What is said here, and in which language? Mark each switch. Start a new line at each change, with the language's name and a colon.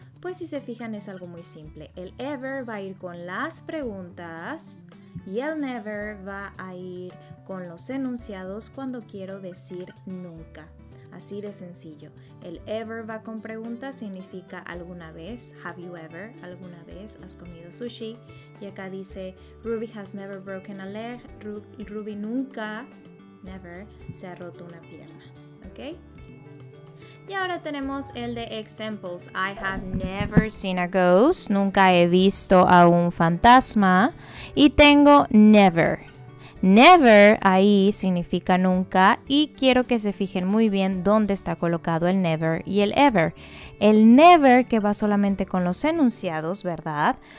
Spanish: Pues si se fijan, es algo muy simple. El ever va a ir con las preguntas. Y el never va a ir con los enunciados cuando quiero decir nunca. Así de sencillo. El ever va con preguntas, significa alguna vez.
English: Have you ever?
Spanish: ¿Alguna vez has comido sushi? Y acá dice,
English: Ruby has never broken a leg.
Spanish: Ruby nunca, never, se ha roto una pierna. ¿Ok? Y ahora tenemos el de examples.
English: I have never seen a ghost.
Spanish: Nunca he visto a un fantasma. Y tengo never. Never ahí significa nunca. Y quiero que se fijen muy bien dónde está colocado el never y el ever. El never, que va solamente con los enunciados, ¿verdad?